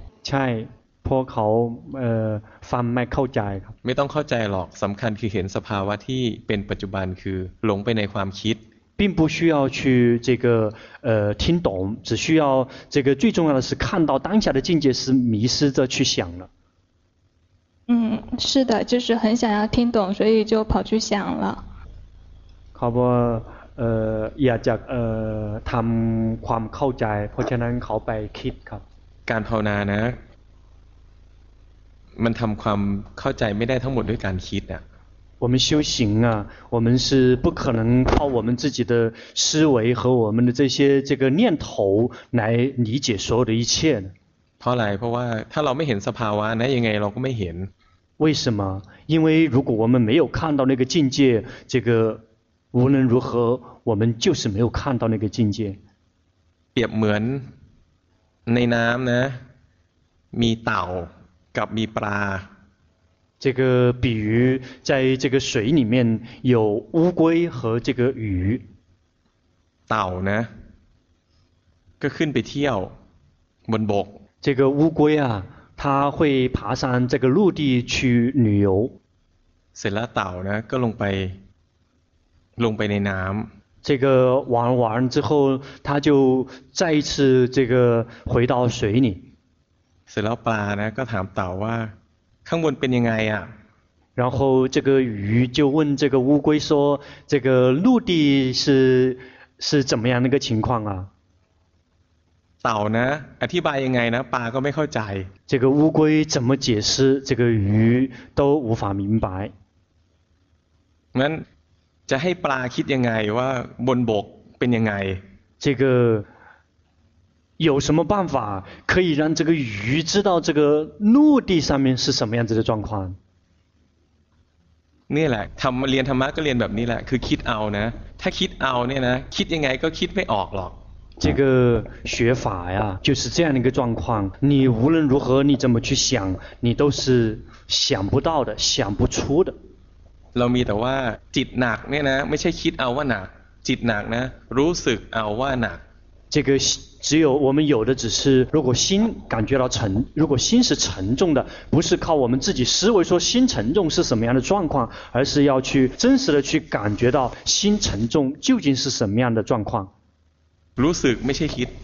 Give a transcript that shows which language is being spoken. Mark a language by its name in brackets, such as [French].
[Thai] ใช่พวกเขาฟังไม่เข้าใจครับ ไม่ต้องเข้าใจหรอกสำคัญคือเห็นสภาวะที่เป็นปัจจุบันคือหลงไปในความคิด [Chinese] 并不需要去这个听懂只需要这个最重要的是看到当下的境界是迷失着去想了嗯是的就是很想要听懂所以就跑去想了 [Thai] ครับอยากจะทำความเข้าใจเพราะฉะนั้นเขาไปคิดครับ การภาวนานะมันทำความเข้าใจไม่ได้ทั้งหมดด้วยการคิดอ่ะ [Chinese] 我们修行啊我们是不可能靠我们自己的思维和我们的这些这个念头来理解所有的一切 [Thai] เพราะอะไรเพราะว่าถ้าเราไม่เห็นสภาวะนะยังไงเราก็ไม่เห็น [Chinese] 为什么因为如果我们没有看到那个境界这个无论如何我们就是没有看到那个境界 [Thai] เปรียบเหมือนในน้ำนะมีเต่ากับมีปลา [Chinese] 这个比喻在这个水里面有乌龟和这个鱼 [Thai] เต่านะก็ขึ้นไปเที่ยวบนบก [Chinese] 这个乌龟啊它会爬上这个陆地去旅游 [Thai] เสร็จแล้วเต่านะก็ลงไปในน้ำ [Chinese] 这个玩之后它就再一次这个回到水里 [Thai] เสร็จแล้วปลานะก็ถามเต่าว่าข้างบนเป็นยังไงอ่ะ [Chinese] 然后这个鱼就问这个乌龟说这个陆地是怎么样那个情况啊 [Thai] เต่านะอธิบายยังไงนะปลาก็ไม่เข้าใจ [Chinese] 这个乌龟怎么解释这个鱼都无法明白 [Thai] งั้นจะให้ปลาคิดยังไงว่าบนบกเป็นยังไง [Chinese] 这个有什么办法可以让这个鱼知道这个陆地上面是什么样子的状况？ [Thai] นี่แหละทำเรียนธรรมะก็เรียนแบบนี้แหละคือคิดเอานะถ้าคิดเอาเนี่ยนะคิดยังไงก็คิดไม่ออกหรอก [Chinese] 这个学法呀，就是这样的一个状况。你无论如何，你怎么去想，你都是想不到的，想不出的。 [Thai] เรามีแต่ว่าจิตหนักเนี่ยนะไม่ใช่คิดเอาว่าหนักจิตหนักนะรู้สึกเอาว่าหนัก [Chinese] 这个只有我们有的只是，如果心感觉到沉，如果心是沉重的，不是靠我们自己思维说心沉重是什么样的状况，而是要去真实的去感觉到心沉重究竟是什么样的状况。 [Thai] รู้สึกไม่ใช่คิด